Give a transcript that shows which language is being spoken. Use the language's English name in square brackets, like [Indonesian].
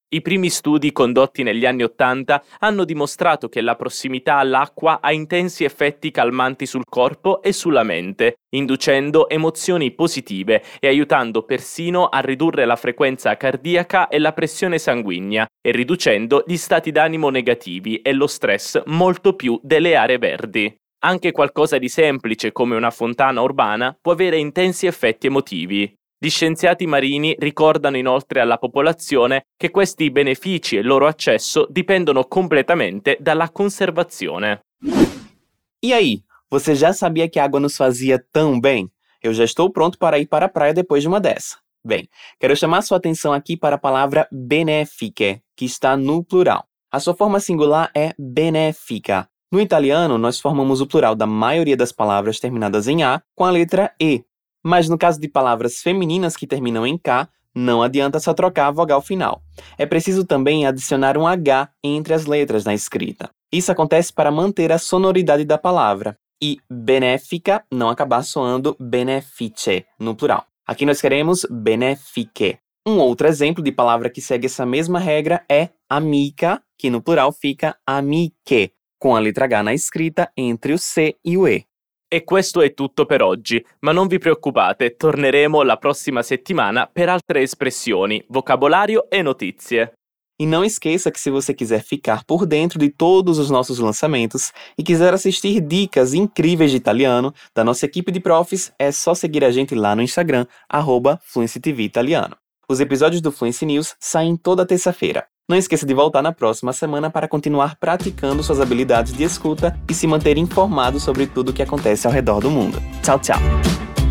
[Italian] I primi studi condotti negli anni Ottanta hanno dimostrato che la prossimità all'acqua ha intensi effetti calmanti sul corpo e sulla mente, inducendo emozioni positive e aiutando persino a ridurre la frequenza cardiaca e la pressione sanguigna, e riducendo gli stati d'animo negativi e lo stress molto più delle aree verdi. Anche qualcosa di semplice come una fontana urbana può avere intensi effetti emotivi. Gli scienziati marini ricordano inoltre alla popolazione che questi benefici e il loro accesso dipendono completamente dalla conservazione. [Portuguese] E aí, você já sabia che água nos fazia tão bem? Eu já estou pronto para ir para a praia depois de uma dessa. Bem, quero chamar sua atenção aqui para a palavra benefiche, que está no plural. A sua forma singular é benefica. No italiano, nós formamos o plural da maioria das palavras terminadas em A com a letra E. Mas no caso de palavras femininas que terminam em K, não adianta só trocar a vogal final. É preciso também adicionar um H entre as letras na escrita. Isso acontece para manter a sonoridade da palavra e benéfica não acabar soando benefice no plural. Aqui nós queremos benefique. Um outro exemplo de palavra que segue essa mesma regra é amica, que no plural fica amiche, com a letra H na escrita entre o C e o E. [Italian] E questo è tutto per oggi, ma non vi preoccupate, torneremo la prossima settimana per altre espressioni, vocabolario e notizie. [Portuguese] E non esqueça che se você quiser ficar por dentro di todos os nossos lançamentos e quiser assistir dicas incríveis de italiano da nossa equipe de profs, é só seguir a gente lá no Instagram, @fluencytvitaliano. Os episódios do Fluency News saem toda terça-feira. Não esqueça de voltar na próxima semana para continuar praticando suas habilidades de escuta e se manter informado sobre tudo o que acontece ao redor do mundo. Tchau, tchau!